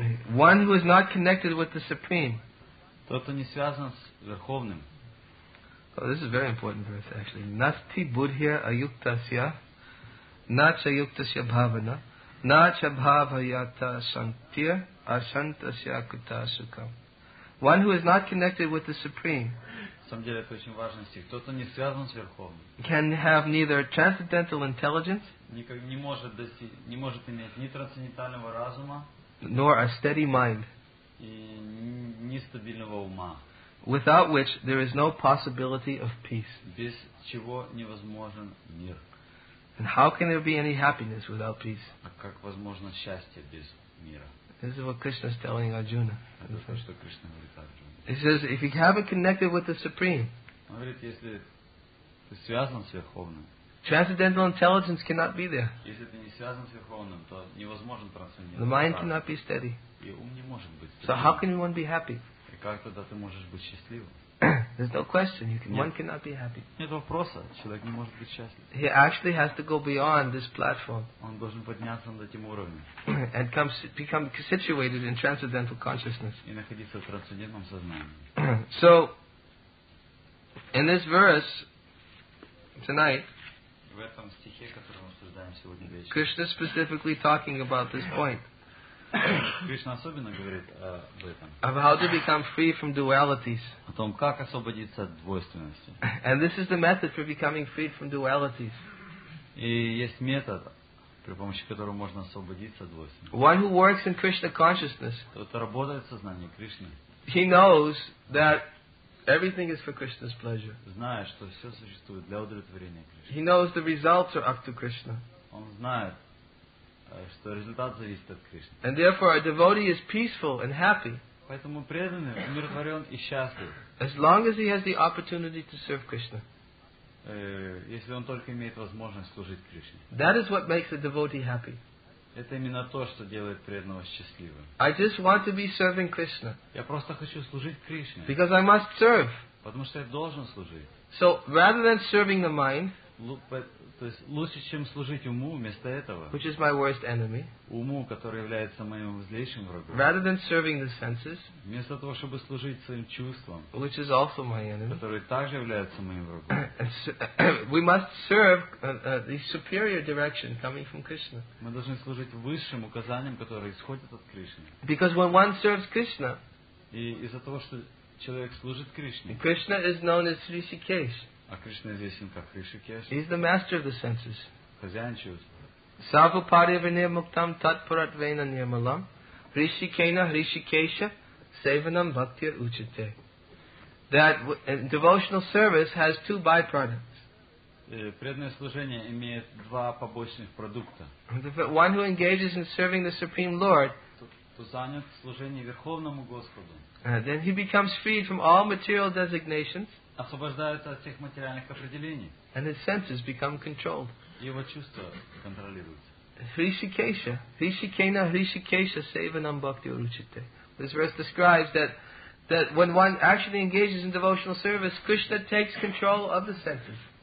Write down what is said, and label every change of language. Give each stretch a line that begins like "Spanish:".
English: One who is not connected with the Supreme.
Russian: Тот, кто не связан с Верховным.
English: Oh, this is a very important verse, actually.
Sanskrit: Nasti buddhya ayuktasya na cha yuktasya bhavana na cha bhavayata shantir ashantasya kutasukam.
English: One who is not connected with the Supreme,
Russian: на самом деле это очень важный стих, тот, кто не связан с Верховным,
English: can have neither transcendental intelligence,
Russian: не может иметь ни трансцендентального разума,
English: nor a steady mind,
Russian: и нестабильного ума,
English: without which there is no possibility of peace.
Russian: Без чего невозможен мир.
English: And how can there be any happiness without peace?
Russian: А как возможно счастье без мира?
English: This is what Krishna is telling Arjuna.
Russian: Это то, что Кришна говорит Арджуне.
English: He says, if you haven't connected with the Supreme,
Russian: он говорит, если ты связан с Верховным,
English: transcendental intelligence cannot be there.
Russian: Если ты не связан с Верховным, то невозможен трансцендентальный.
English: The mind cannot be steady.
Russian: И ум не может быть.
English: So how can one be happy?
Russian: Как тогда ты можешь быть счастливым?
English: There's no question. You can, one cannot be happy.
Russian: Нет вопроса. Человек не может быть счастлив.
English: He actually has to go beyond this platform.
Russian: Он должен подняться над этим уровнем.
English: And come, become situated in transcendental consciousness.
Russian: И находиться в трансцендентном сознании.
English: So, in this verse tonight,
Russian: в этом стихе, который мы обсуждаем сегодня вечером,
English: Krishna is specifically talking about this point.
Russian: Кришна особенно говорит об этом.
English: Of how to become free from dualities.
Russian: О том, как освободиться от двойственности.
English: And this is the method for becoming free from dualities.
Russian: И есть метод, при помощи которого можно освободиться от двойственности.
English: One who works in Krishna consciousness.
Russian: Тот, кто работает в сознании Кришны.
English: He knows that everything is for Krishna's pleasure.
Russian: Знает, что все существует для удовлетворения Кришны.
English: He knows the results are up to Krishna.
Russian: Он знает. Что результат зависит от Кришны.
English: And therefore, a devotee is peaceful and happy.
Russian: Поэтому преданный умиротворен и счастлив.
English: As long as he has the opportunity to serve Krishna.
Russian: Если он только имеет возможность служить Кришне.
English: That is what makes a devotee happy.
Russian: Это именно то, что делает преданного счастливым.
English: I just want to be serving Krishna.
Russian: Я просто хочу служить Кришне.
English: Because I must serve.
Russian: Потому что я должен служить.
English: So rather than serving the mind.
Russian: То есть лучше, чем служить уму, вместо этого.
English: Which is my worst enemy.
Russian: Уму, который является моим злейшим врагом.
English: Rather than serving the senses.
Russian: Вместо того, чтобы служить своим чувствам.
English: Which is also my enemy.
Russian: Который также является моим врагом.
English: We must serve the superior direction coming from Krishna.
Russian: Мы должны служить высшим указаниям, которые исходят от Кришны.
English: Because when one serves Krishna.
Russian: И из-за того, что человек служит Кришне.
English: Krishna is known as Hrishikesh.
Russian: А Кришна известен как Хришикеш.
English: He's the master of the senses.
Russian: Хозяин чувств.
Sanskrit: Сарва парива нирмуктам тат пуратвейна нирмалам. Хришикена Хришикеша севанам бхактир учите.
English: That devotional service has two byproducts.
Russian: Преданное служение имеет два побочных продукта.
English: One who engages in serving the Supreme Lord.
Russian: То занят служение Верховному Господу.
English: Then he becomes freed from all material designations.
Russian: Освобождается от всех материальных определений.
English: And his senses become controlled.
Russian: Его чувства контролируются.
English: Hrishikesha.
Sanskrit: Hrishikena Hrishikesha Sevanam Bhakti Uruchite.
English: This verse describes that when one actually engages in devotional service, Krishna takes control of the senses.